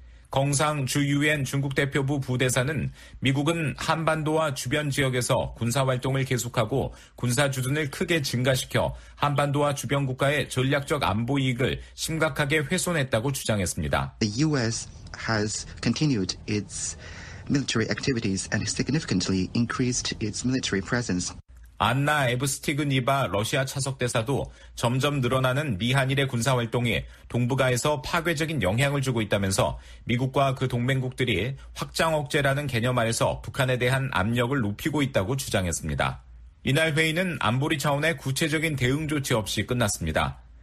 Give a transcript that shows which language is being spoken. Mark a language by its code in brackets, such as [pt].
[ko] 공상 주 유엔 중국 대표부 부대사는 미국은 한반도와 주변 지역에서 군사활동을 계속하고 군사주둔을 크게 증가시켜 한반도와 주변 국가의 전략적 안보 이익을 심각하게 훼손했다고 주장했습니다. [en] The U.S. has continued its military activities and significantly increased its military presence. [ko] 안나 에브스티그니바 러시아 차석대사도 점점 늘어나는 미한일의 군사활동이 동북아에서 파괴적인 영향을 주고 있다면서 미국과 그 동맹국들이 확장 억제라는 개념 아래서 북한에 대한 압력을 높이고 있다고 주장했습니다. 이날 회의는 안보리 차원의 구체적인 대응 조치 없이 끝났습니다.